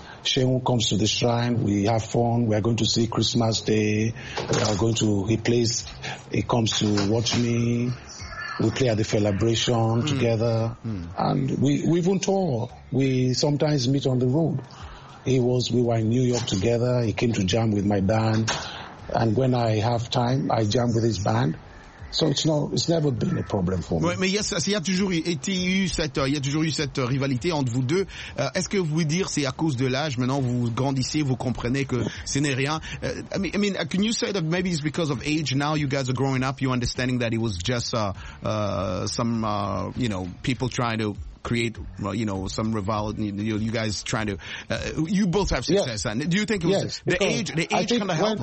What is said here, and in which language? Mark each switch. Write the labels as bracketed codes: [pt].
[en] Seun comes to the shrine, we have fun, we are going to see Christmas Day, we are going to, he comes to watch me, we play at the celebration together, and we even tour. We sometimes meet on the road. We were in New York together, he came to jam with my band, and when I have time, I jam with his band. So it's never been a problem for me. [fr] Ouais, mais il y a toujours eu cette rivalité entre vous deux. Est-ce que vous pouvez dire c'est à cause de l'âge? Maintenant vous grandissez, vous comprenez que ce n'est rien. [en] I mean, can you say that maybe it's because of age? Now you guys are growing up, you're understanding that it was just people trying to create, some rivalry. You guys trying to, you both have success. Yes. And do you think it was the age kind of helped?